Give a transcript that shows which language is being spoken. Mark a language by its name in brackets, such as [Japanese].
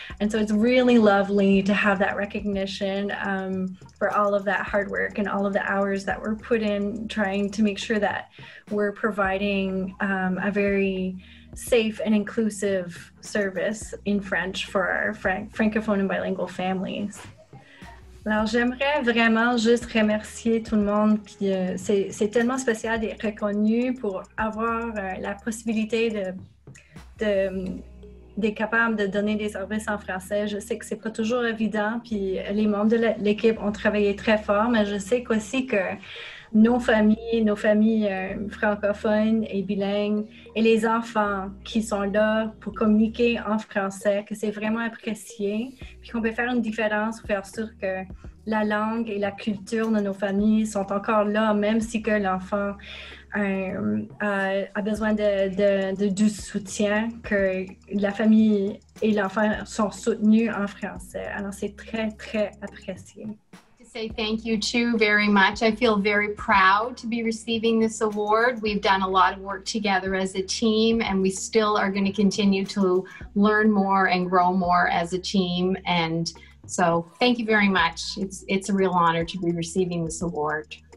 [English] And so it's really lovely to have that recognition for all of that hard work and all of the hours that were put in trying to make sure that we're providing a very safe and inclusive service in French for our francophone and bilingual families. [French] Alors j'aimerais vraiment juste remercier tout le monde. Puis c'est tellement spécial d'être reconnu pour avoir la possibilité d'être capable de donner des services en français. Je sais que c'est pas toujours évident. Puis les membres de l'équipe ont travaillé très fort, mais je sais aussi que nos familles francophones et bilingues et les enfants qui sont là pour communiquer en français, que c'est vraiment apprécié, puis qu'on peut faire une différence pour faire sûr que la langue et la culture de nos familles sont encore là, même si que l'enfant a besoin de soutien, que la famille et l'enfant sont soutenus en français. Alors c'est très, très apprécié. [English] Say thank you too very much. I feel very proud to be receiving this award. We've done a lot of work together as a team, and we still are going to continue to learn more and grow more as a team. And so thank you very much. It's a real honor to be receiving this award.